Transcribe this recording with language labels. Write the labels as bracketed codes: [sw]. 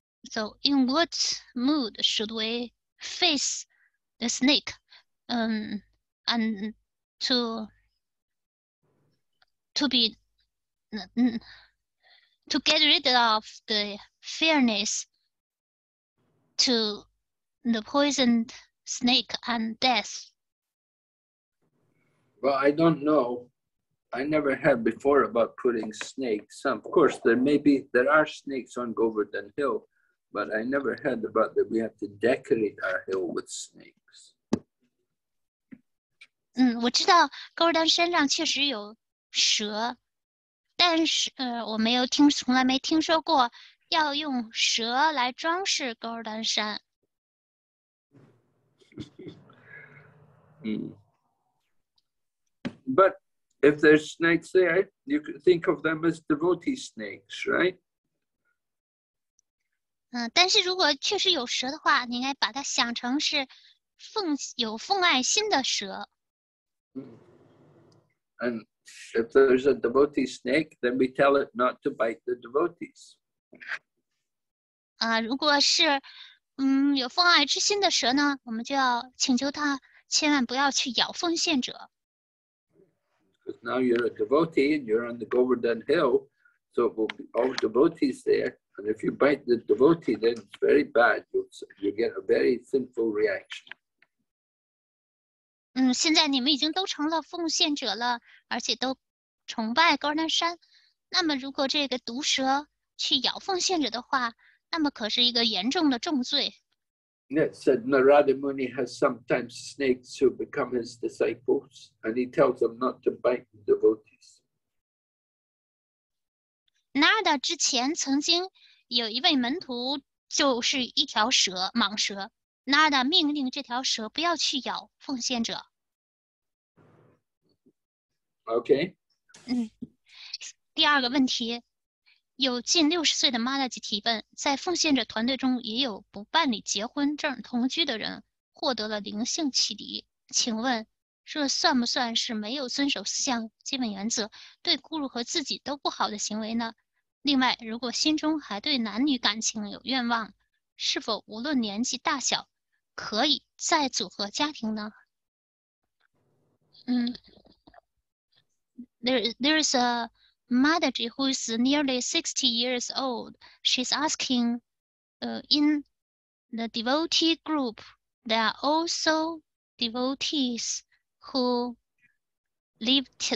[en] So, in what mood should we face the snake, and to get rid of the fearness to the poisoned snake and death? Well, I don't know. I never heard before about putting snakes. Some, of course, there are snakes on Govardhan Hill. But I never heard about that we have to decorate our hill with snakes. [zh] 我知道高尔丹山上确实有蛇，但是我没有听，从来没听说过要用蛇来装饰高尔丹山。 [en] But if there's snakes there, you can think of them as devotee snakes, right? [zh] 但是如果确实有蛇的话，你应该把它想成是有奉爱心的蛇。 [en] And If there's a devotee snake, then we tell it not to bite the devotees. [zh] 如果是有奉爱之心的蛇呢，我们就要请求它千万不要去咬奉献者。 [en] Because now you're a devotee and you're on the Govardhan Hill, so it will be all devotees there. And if you bite the devotee, then it's very bad. You get a very sinful reaction. [zh] 现在你们已经都成了奉献者了，而且都崇拜高丹山。那么如果这个毒蛇去咬奉献者的话，那么可是一个严重的重罪。 [en] It said Narada Muni has sometimes snakes who become his disciples, and he tells them not to bite the devotees. [zh] Narada 之前曾经有一位门徒就是一条蛇，蟒蛇。 Narada 命令这条蛇不要去咬奉献者。 [en] Okay. [zh] 第二个问题。有近60岁的 Madaji 提问，在奉献者团队中也有不办理结婚证同居的人获得了灵性启迪，请问这算不算是没有遵守四项基本原则，对孤儒和自己都不好的行为呢？另外，如果心中还对男女感情有愿望，是否无论年纪大小可以再组合家庭呢？ [en] There is aMadaji, who is nearly 60 years old, she's asking, in the devotee group, there are also devotees who live